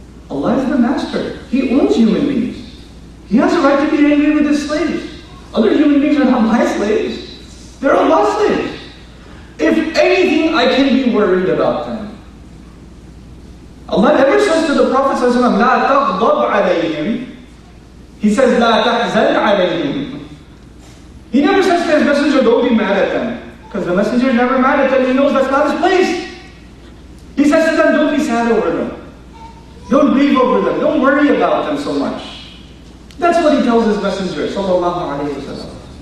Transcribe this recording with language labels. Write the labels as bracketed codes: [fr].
[en] Allah is the master. He owns human beings. He has a right to be angry with his slaves. Other human beings are not my slaves. They're Allah's slaves. If anything, I can be worried about them. Allah never says to the Prophet ﷺ, [ar] لا تغضب عليهم. [en] He says, [ar] لا تحزن عليهم. [en] He never says to his messenger, don't be mad at them. Because the messenger is never mad at them, he knows that's not his place. He says to them, don't be sad over them. Don't grieve over them. Don't worry about them so much. That's what he tells his messenger, sallallahu alayhi wa sallam.